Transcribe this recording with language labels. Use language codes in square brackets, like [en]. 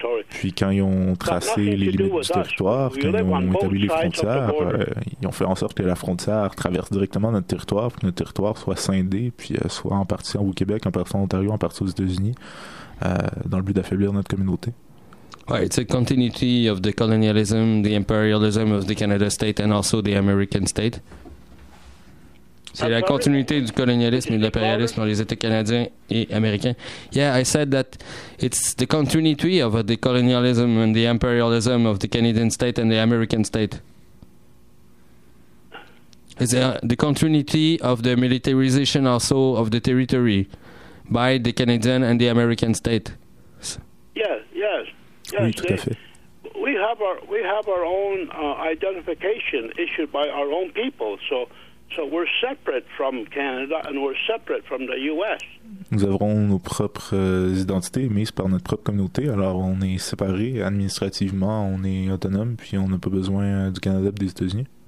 [fr] Puis quand ils ont tracé les limites du territoire, quand ils ont établi les frontières, ils ont fait en sorte que la frontière traverse directement notre territoire, que notre territoire soit scindé, puis soit en partie au Québec, en partie en Ontario, en partie aux États-Unis, dans le but d'affaiblir notre communauté. [en] Well, it's a continuity of the colonialism, the imperialism of the Canada state and also the American state. [fr] C'est la continuité du colonialisme et de l'impérialisme dans les États canadiens et américains. [en] Yeah, I said that it's the continuity of the colonialism and the imperialism of the Canadian state and the American state. It's the continuity of the militarization also of the territory by the Canadian and the American state. Yes. [fr] Oui, tout à fait. [en] We have our own identification issued by our own people, so we're separate from Canada and we're separate from the U.S. [fr] Nous avons nos propres identités émises par notre propre communauté, alors on est séparés administrativement, on est autonome, puis on n'a pas besoin du Canada et des États-Unis.